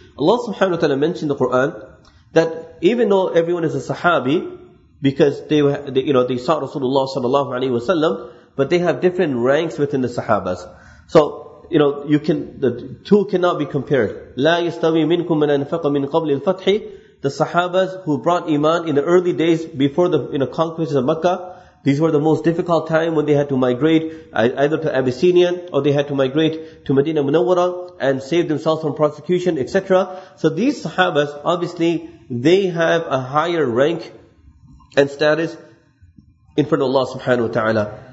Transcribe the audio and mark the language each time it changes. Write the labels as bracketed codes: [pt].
[en] Allah subhanahu wa ta'ala mentioned in the Quran that even though everyone is a sahabi because they saw Rasulullah sallallahu alaihi wasallam, but they have different ranks within the sahabas. So the two cannot be compared. [ar] لا يستوي منكم من أنفق من قبل الفتح. [en] The sahabas who brought iman in the early days before the conquest of Mecca, these were the most difficult time when they had to migrate either to Abyssinia or they had to migrate to Medina Munawwara and save themselves from prosecution, etc. So these sahabas, obviously, they have a higher rank and status in front of Allah subhanahu wa ta'ala.